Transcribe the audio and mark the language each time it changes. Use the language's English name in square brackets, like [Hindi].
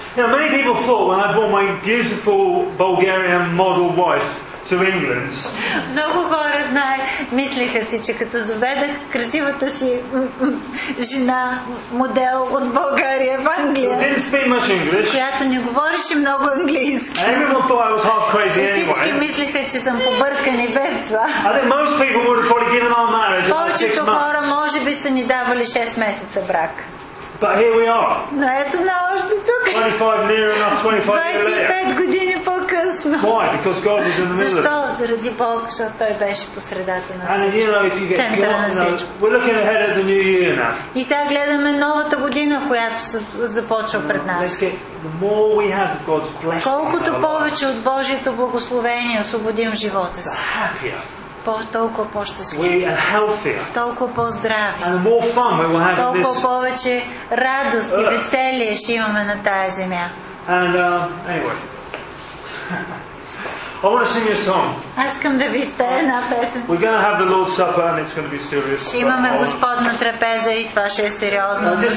[English] Now, many people thought when I brought my beautiful Bulgarian model wife to England. [Bulgarian] Много хора знаят, мислиха си, че като заведах красивата си жена модел от България в Англия. [English] She didn't speak much English. [Bulgarian] Която не говореше много английски. [English] Everyone thought I was half crazy anyway. [Bulgarian] Всички мислиха, че съм побъркани без това. [English] I think most people would have probably given our marriage about 6 months. [Bulgarian] Повечето хора може би са ни давали 6 месеца брак. [English] But here we are. 25 near enough, 25 years later. Why? Because God was in the middle. [Bulgarian] Защо? Заради Бог, защото Той беше посредата на всичко. [English] And you know, if you get God, we're looking ahead at the new year now. [Bulgarian] И сега гледаме новата година, която започва пред нас. [English] The more we have God's blessing. [Bulgarian] Колкото повече от Божието благословение освободим живота си. Толкова по-щастливи, толкова по-здрави, [English] and more fun we will have [Bulgarian] толкова повече радост и веселие ще имаме на тая земя. [English] And, I want to sing you a song. [Bulgarian] Аз искам да ви изпея една песен. [English] We're going to have the Lord's Supper and it's going to be serious. [Bulgarian] Ще имаме Господна трапеза и това ще е сериозно.